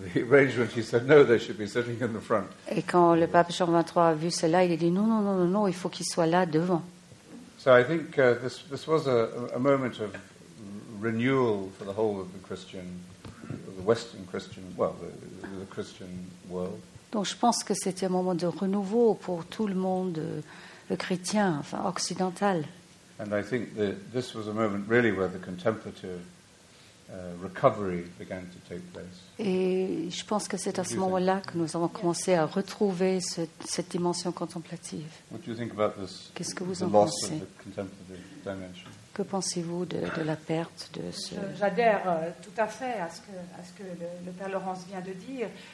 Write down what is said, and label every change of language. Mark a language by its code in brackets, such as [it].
[fr] Et quand le pape Jean XXIII a vu cela, il a dit non, il faut qu'ils soient là devant. [en] So I think this was a moment of renewal for the whole of the Christian, the Western Christian, well, the Christian world. [fr] Donc je pense que c'était un moment de renouveau pour tout le monde chrétien, enfin occidental. [en] And I think that this was a moment really where the contemplative recovery began to take place. [fr] Et je pense que c'est à ce moment-là que nous avons commencé à retrouver cette dimension contemplative. [en] What do you think about this? [fr] Qu'est-ce que vous en pensez? [en] The loss of the contemplative dimension. [fr] Que pensez-vous de la perte de ce? J'adhère tout à fait à ce que le père Laurence vient de dire.